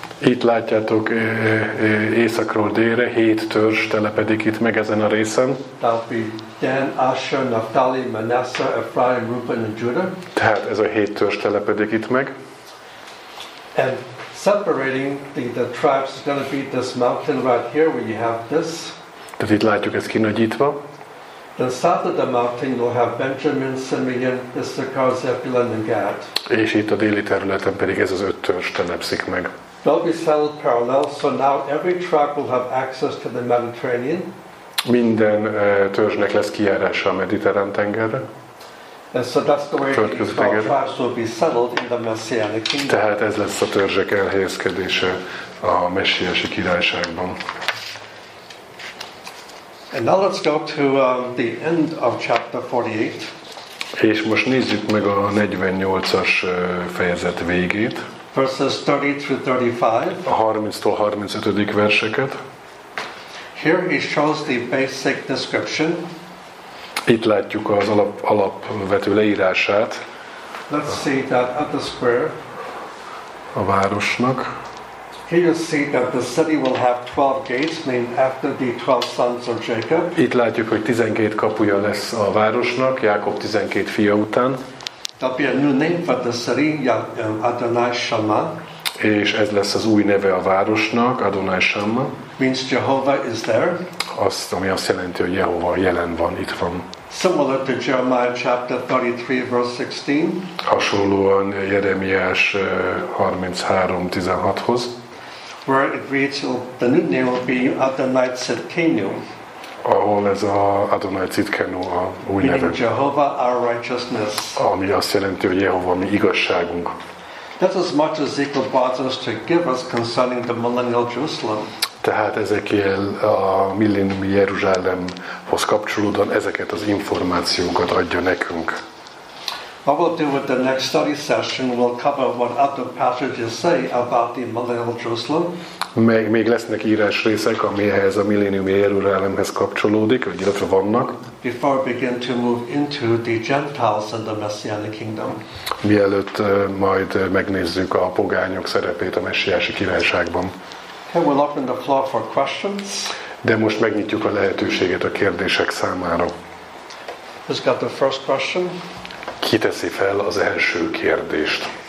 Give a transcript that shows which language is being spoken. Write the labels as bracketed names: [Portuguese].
[Hungarian] Itt látjátok északról délre hét törzs telepedik itt meg ezen a részen. [English] That'll be Dan, Asher, Naphtali, Manasseh, Ephraim, Reuben, and Judah. [Hungarian] Tehát ez a hét törzs telepedik itt meg. [English] And separating the tribes is going to be this mountain right here where you have this. [Hungarian] Tehát itt látjuk ezt kinagyítva. [English] Then south of the mountain you'll have Benjamin, Simeon, Issachar, Zebulun, and Gad. [Hungarian] És itt a déli területen pedig ez az öt törzs telepszik meg. [English] They'll be settled parallel, so now every tribe will have access to the Mediterranean. [Hungarian] Minden törzsnek lesz kijárása a mediterrán tengerre. [English] And so that's the way the tribes will be settled in the Messianic kingdom. [Hungarian] Tehát ez lesz a törzsek elhelyezkedése a messiási királyságban. [English] And now let's go to the end of chapter 48. [Hungarian] És most nézzük meg a 48-as fejezet végét. [English] Verses 30-35. [Hungarian] A 30-tól 35. verseket. [English] Here he shows the basic description. [Hungarian] Itt látjuk az alapvető leírását. [English] Let's see that at the square. [Hungarian] A városnak. [English] Here you see that the city will have 12 gates named after the 12 sons of Jacob. [Hungarian] Itt látjuk, hogy 12 kapuja lesz a városnak, Jákob 12 fia után. [English] There'll be a new name for the city, Adonai Shammah. [Hungarian] És ez lesz az új neve a városnak, Adonai Shammah. [English] Means Jehovah is there. [Hungarian] Azt, ami azt jelenti, hogy Jehova jelen van, itt van. [English] Similar to Jeremiah chapter 33, verse 16. [Hungarian] Hasonlóan Jeremiás 33:16-hoz. [English] Where it reads, the new name will be Adonai Tzidkenu. [Hungarian] Ahol ez a Adonai Tzidkenu a új neve. [English] Meaning Jehovah our righteousness. [Hungarian] Ami azt jelenti, hogy Jehova mi igazságunk. [English] That's as much as Ezekiel bothers to give us concerning the millennial Jerusalem. [Hungarian] Tehát Ezekiel a millenniumi Jeruzsálemhoz kapcsolódóan ezeket az információkat adja nekünk. [English] What we'll do with the next study session, we'll cover what other passages say about the millennial Jerusalem. [Hungarian] Még lesznek írás részek, amihez a milléniumi Jeruzsálemhez kapcsolódik, vagy illetve vannak. [English] Before we begin to move into the Gentiles and the Messianic Kingdom. [Hungarian] Mielőtt majd megnézzük a pogányok szerepét a messiási királyságban. [English] Okay, we'll open the floor for questions. [Hungarian] De most megnyitjuk a lehetőséget a kérdések számára. [English] Who's got the first question? [Hungarian] Ki teszi fel az első kérdést?